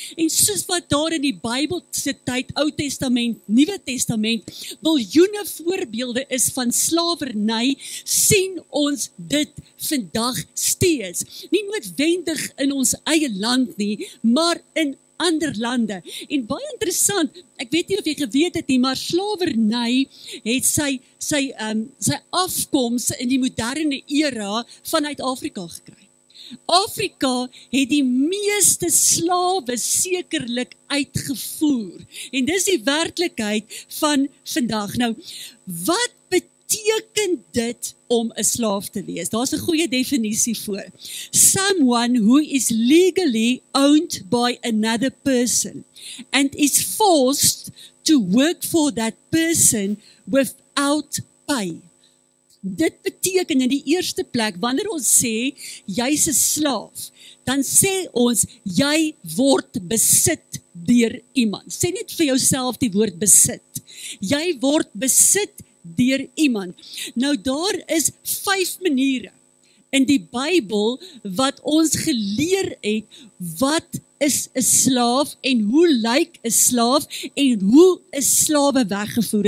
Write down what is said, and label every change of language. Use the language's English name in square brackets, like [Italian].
[Afrikaans] En soos wat daar in die Bybel se tyd, Ou Testament, Nuwe Testament, miljoene voorbeelde is van slawerny, sien ons dit vandag steeds. Nie noodwendig in ons eie land nie, maar in ander lande. En baie interessant, ek weet nie of jy geweet het nie, maar slawerny het sy afkoms in die moderne era vanuit Afrika gekry. Afrika het die meeste slawe sekerlik uitgevoer. En dis die werklikheid van vandag. Nou, wat beteken dit om 'n slaaf te wees? Daar's 'n goeie definisie voor. [English] Someone who is legally owned by another person and is forced to work for that person without pay. [Afrikaans] Dit beteken in die eerste plek, wanneer ons sê, jy's 'n slaaf, dan sê ons, jy word besit deur iemand. Sê net vir jouself die woord besit. Jy word besit deur iemand. Nou daar is 5 maniere in die Bybel wat ons geleer het wat is 'n slaaf en hoe lyk 'n slaaf en hoe is slawe weggevoer.